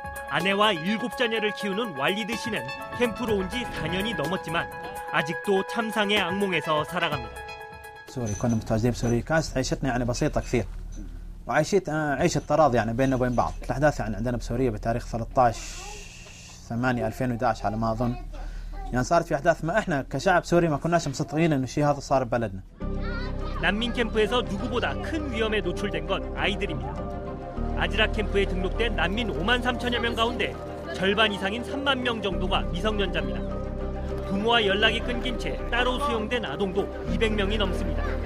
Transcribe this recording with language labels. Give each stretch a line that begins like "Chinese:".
Korean: 아내와 일곱 자녀를 키우는 왈리드 씨는 캠프로 온 지 4년이 넘었지만 아직도 참상의 악몽에서 살아갑니다.
English: Sorry,
Arabic: كنا متعذبين سوري كانت عيشتنا يعني بسيطة كثير. وعيشت عيشة تراضي يعني بيننا وبين بعض. الأحداث يعني عندنا بسوريا بتاريخ 13/8/2011 على ما أظن. يعني صارت في أحداث ما إحنا كشعب سوري ما كناش مصدقين إنه شيء هذا صار ببلدنا.
Korean: 난민 캠프에서 누구보다 큰 위험에 노출된 건 아이들입니다. 아즈락 캠프에 등록된 난민 5만 3천여 명 가운데 절반 이상인 3만 명 정도가 미성년자입니다. 부모와 연락이 끊긴 채 따로 수용된 아동도 200명이 넘습니다.